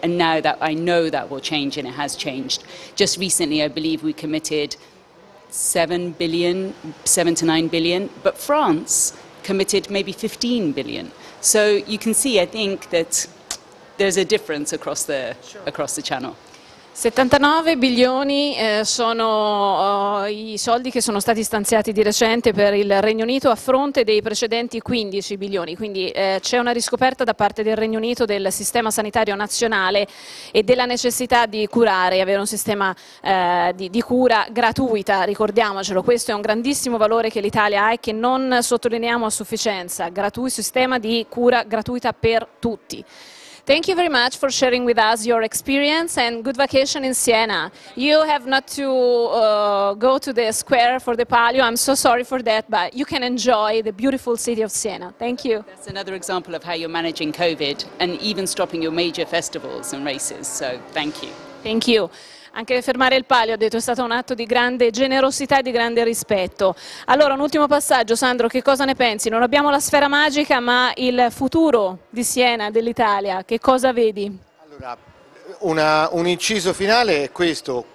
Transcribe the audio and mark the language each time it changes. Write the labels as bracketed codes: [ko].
[en] And now that I know that will change, and it has changed. Just recently, I believe we committed seven to nine billion, but France committed maybe 15 billion. So you can see, I think, that there's a difference across the, sure, across the channel. [it] 79 bilioni sono i soldi che sono stati stanziati di recente per il Regno Unito a fronte dei precedenti 15 bilioni, quindi c'è una riscoperta da parte del Regno Unito del sistema sanitario nazionale e della necessità di curare, avere un sistema di cura gratuita, ricordiamocelo, questo è un grandissimo valore che l'Italia ha e che non sottolineiamo a sufficienza, sistema di cura gratuita per tutti. [en] Thank you very much for sharing with us your experience and good vacation in Siena. You have not to go to the square for the Palio. I'm so sorry for that, but you can enjoy the beautiful city of Siena. Thank you. That's another example of how you're managing COVID and even stopping your major festivals and races. So thank you. Thank you. [it] Anche fermare il Palio, ha detto, è stato un atto di grande generosità e di grande rispetto. Allora, un ultimo passaggio, Sandro, che cosa ne pensi? Non abbiamo la sfera magica, ma il futuro di Siena, dell'Italia, che cosa vedi? Allora, un inciso finale è questo.